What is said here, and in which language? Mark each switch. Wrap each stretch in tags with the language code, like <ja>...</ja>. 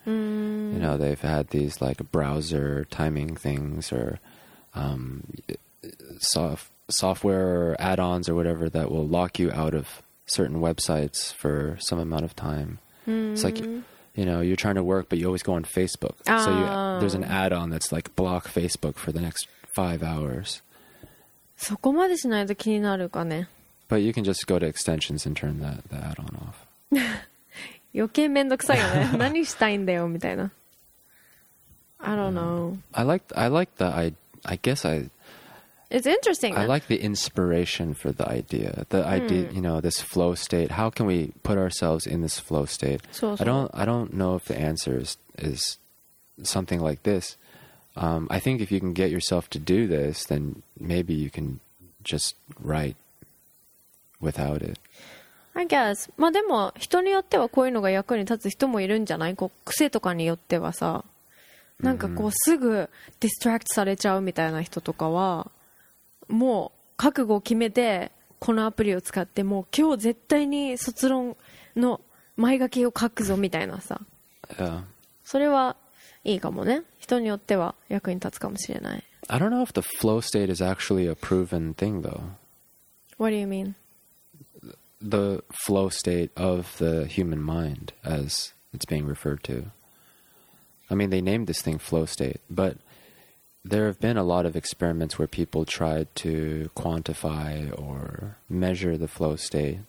<en>You know, they've had these like browser timing things or software add-ons or whatever that will lock you out of certain websites for some amount of time. It's like, you know, you're trying to work, but you always go on Facebook. So there's an add-on that's like block Facebook for the next 5 hours.</en> <ja>そこまでしないと気になるかね。</ja> <en>But you can just go to extensions and turn the add-on off.</en> <ja>余計めんどくさいよね。何したいんだよみたいな。</ja> <en>I don't know. It's interesting. I like the inspiration for the idea. The idea, you know, this flow state. How can we put ourselves in this flow state?</en> <ja>そうそう。</ja> <en>I don't know if the answer is something like this. I think if you can get yourself to do this, then maybe you can just write without it. I guess.</en> <ja>まあでも人によってはこういうのが役に立つ人もいるんじゃない？こう癖とかによってはさ、なんかこうすぐディストラクトされちゃうみたいな人とかは、もう覚悟を決めてこのアプリを使ってもう今日絶対に卒論の前書きを書くぞみたいなさ、それはいいかもね。人によっては役に立つかもしれない。</ja> <en>I don't know if the flow state is actually a proven thing though. What do you mean? The flow state of the human mind as it's being referred to. I mean they named this thing flow state, butThere have been a lot of experiments where people tried to quantify or measure the flow state.</en>